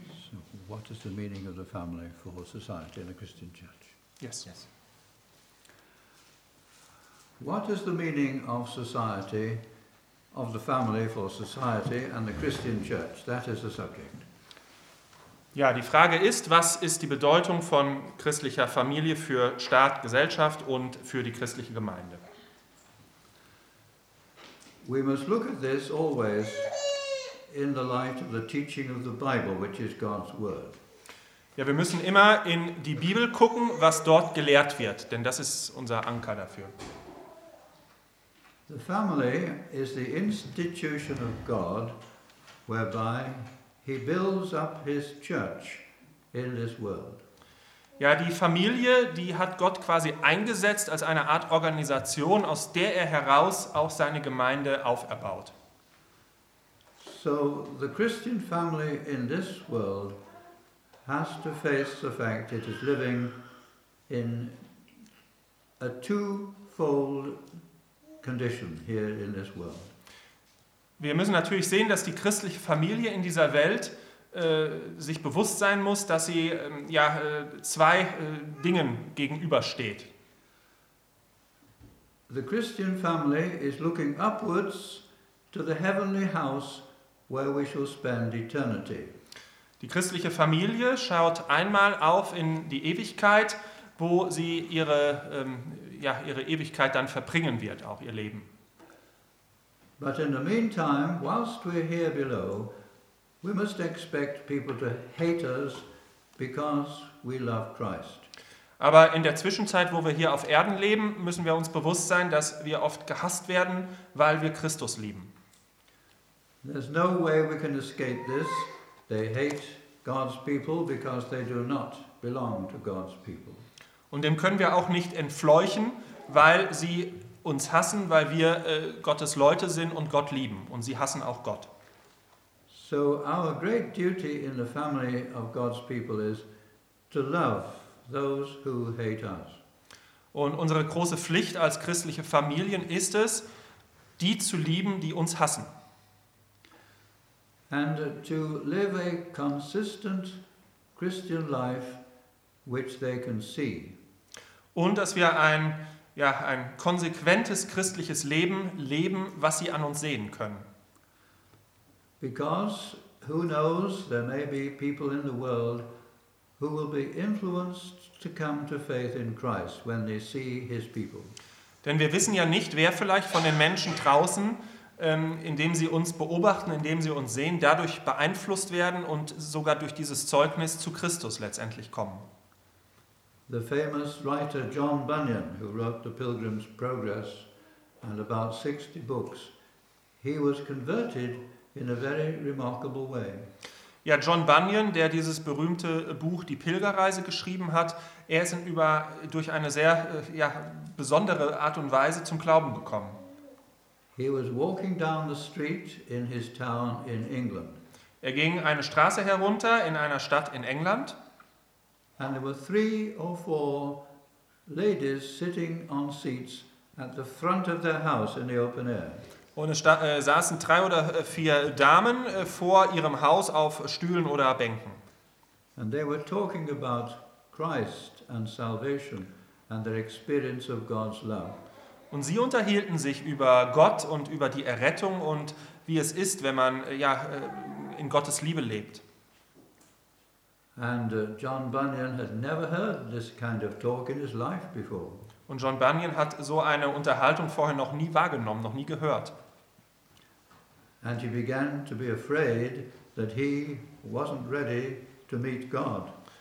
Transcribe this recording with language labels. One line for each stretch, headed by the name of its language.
English: So what is the meaning of the family for society in a Christian church? Yes. Yes. What is the meaning of society, of the family for society and the Christian church? That is the subject.
German: Ja, die Frage ist, was ist die Bedeutung von christlicher Familie für Staat, Gesellschaft und für die christliche Gemeinde?
English: We must look at this always in the light of the teaching of the Bible, which is God's word.
German: Ja, wir müssen immer in die Bibel gucken, was dort gelehrt wird, denn das ist unser Anker dafür.
English: The family is the institution of God whereby he builds up his church in this world.
German: Ja, die Familie, die hat Gott quasi eingesetzt als eine Art Organisation, aus der er heraus auch seine Gemeinde auferbaut.
English: So the Christian family in this world has to face the fact it is living in a twofold condition here in this world.
German: Wir müssen natürlich sehen, dass die christliche Familie in dieser Welt sich bewusst sein muss, dass sie ja zwei Dingen gegenübersteht.
English: The Christian family is looking upwards to the heavenly house where we shall spend eternity.
German: Die christliche Familie schaut einmal auf in die Ewigkeit, wo sie ihre ja ihre Ewigkeit dann verbringen wird, auch ihr Leben.
English: But in the meantime, whilst we're here below, we must expect people to hate us because we love Christ.
German: Aber in der Zwischenzeit, wo wir hier auf Erden leben, müssen wir uns bewusst sein, dass wir oft gehasst werden, weil wir Christus lieben.
English: There's no way we can escape this. They hate God's people because they do not belong to God's people.
German: Und dem können wir auch nicht entfleuchen, weil sie uns hassen, weil wir Gottes Leute sind und Gott lieben und sie hassen auch Gott.
English: So our great duty in the family of God's people is to love those who hate us.
German: Und unsere große Pflicht als christliche Familien ist es, die zu lieben, die uns hassen.
English: And to live a consistent Christian life which they can see.
German: Und dass wir ein ja ein konsequentes christliches Leben leben, was sie an uns sehen können.
English: Because who knows, there may be people in the world who will be influenced to come to faith in Christ when they see his people.
German: Denn wir wissen ja nicht, wer vielleicht von den Menschen draußen, indem sie uns beobachten, indem sie uns sehen, dadurch beeinflusst werden und sogar durch dieses Zeugnis zu Christus letztendlich kommen.
English: The famous writer John Bunyan, who wrote The Pilgrim's Progress and about 60 books, he was converted in a very remarkable way.
German: Ja, John Bunyan, der dieses berühmte Buch Die Pilgerreise geschrieben hat, er ist durch eine sehr ja, besondere Art und Weise zum Glauben gekommen.
English: He was walking down the street in his town in England.
German: Er ging eine Straße herunter in einer Stadt in England.
English: And there were three or four ladies sitting on seats at the front of their house in the open air.
German: Und es saßen drei oder vier Damen vor ihrem Haus auf Stühlen oder Bänken.
English: And they were talking about Christ and salvation and their experience of God's love.
German: Und sie unterhielten sich über Gott und über die Errettung und wie es ist, wenn man ja in Gottes Liebe lebt.
English: And John Bunyan had never heard this kind of talk in his life before.
German: Und John Bunyan hat so eine Unterhaltung vorher noch nie wahrgenommen, noch nie gehört.
English: And he began to be afraid that he wasn't ready to meet God.